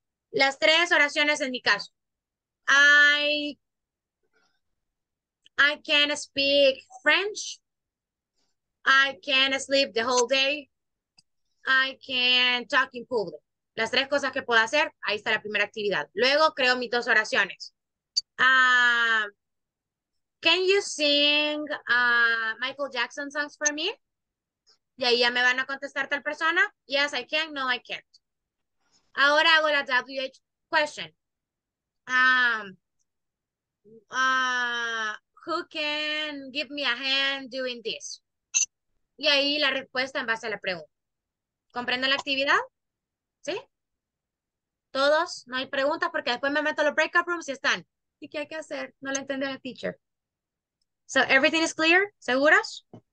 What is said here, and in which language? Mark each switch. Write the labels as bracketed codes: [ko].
[es] Las tres oraciones en mi caso. [en] I can speak French. I can't sleep the whole day. I can't talk in public. [es] Las tres cosas que puedo hacer, ahí está la primera actividad. Luego creo mis dos oraciones. [en] Can you sing Michael Jackson songs for me? [es] Y ahí ya me van a contestar tal persona. [en] Yes, I can. No, I can't. [es] Ahora hago la WH question. [en] Who can give me a hand doing this? [es] Y ahí la respuesta en base a la pregunta. ¿Comprendo la actividad? ¿Sí? ¿Todos? No hay preguntas porque después me meto a los breakout rooms y están. ¿Y qué hay que hacer? No la entiende la teacher. [en] So, everything is clear? [es] ¿Seguros?